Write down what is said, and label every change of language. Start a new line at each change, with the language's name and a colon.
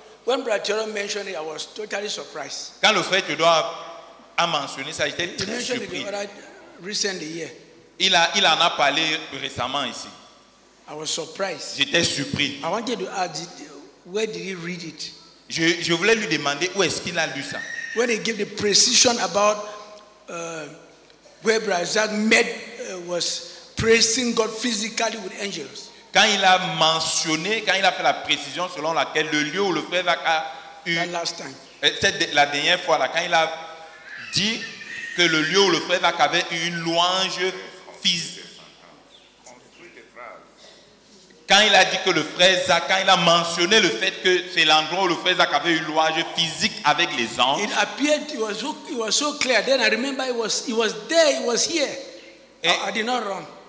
English: When Brother mentioned it, I was totally surprised.
French: Quand le frère Tudor a mentionné ça, j'étais
English: he
French: très surpris.
English: Recently, yeah.
French: Il en a parlé récemment ici.
English: I was surprised.
French: J'étais surpris.
English: I wanted to ask, where did he read it?
French: Je voulais lui demander où est-ce qu'il a lu ça.
English: When he gave the precision about where Brother met was praising God physically with angels.
French: Quand il a mentionné, quand il a fait la précision selon laquelle le lieu où le frère Zach a eu. La dernière fois, là, quand il a dit que le lieu où le frère Zach avait eu une louange physique. Quand il a dit que le frère Zach, quand il a mentionné le fait que c'est l'endroit où le frère Zach avait eu une louange physique avec les anges.
English: It appeared, it was so clear. Then I remember it was there, it was here. I did not run.